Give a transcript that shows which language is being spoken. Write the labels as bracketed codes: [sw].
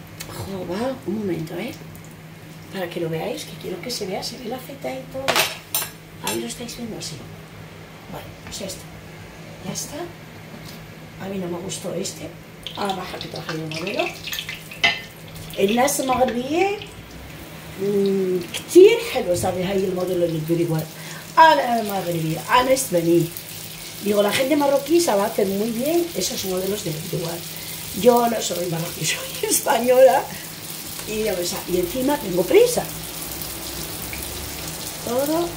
[es] Ojo, va, un momento, ¿eh? Para que lo veáis, que quiero que se vea, se ve la feta y todo. Ahí lo estáis viendo así. Vale, pues esto. Ya está. A mí no me gustó este. Ahora baja que traje el modelo. [ar] الناس المغربية كتير حلوة صار هاي الموديل اللي بيقولي بقى. أنا مغربية، أنا إسبانية. [es] Digo, la gente marroquí sabe hacer muy bien esos modelos de lugar. Yo no soy marroquí, soy española. Y, o sea, y encima tengo prisa. Todo.